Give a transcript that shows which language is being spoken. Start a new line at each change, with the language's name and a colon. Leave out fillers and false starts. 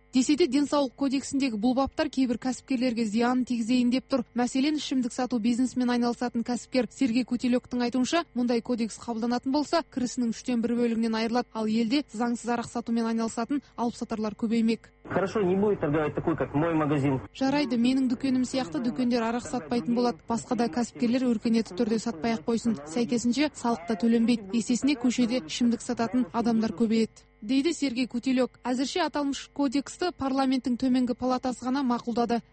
Kazakh: Десе де денсаулық кодексіндегі бұл баптар кейбір кәсіпкерлерге зиянын тигізейін деп тұр. Мәселен, ішімдік сату бизнесмен айналысатын кәсіпкер Сергей Кутелектің айтуынша, мұндай кодекс қабылданатын болса, кірісінің 1/3 бөлігінен айырылады, ал елде заңсыз арақ сатумен айналысатын алыпсатарлар көбеймек.
Russian: Хорошо, не будет торговать такой, как мой магазин.
Kazakh: Жарайды, менің дүкенім сияқты дүкендер арақ сатпайтын болады. Басқа да кәсіпкерлер өркениетті түрде сатпай-ақ қойсын. Сәйкесінше салық та төленбейді. Есесіне көшеде ішімдік сататын адамдар көбейеді. Дейді Сергей Кутелек. Әзірше аталмыш кодексті парламенттің төменгі палатасы ғана мақұлдады.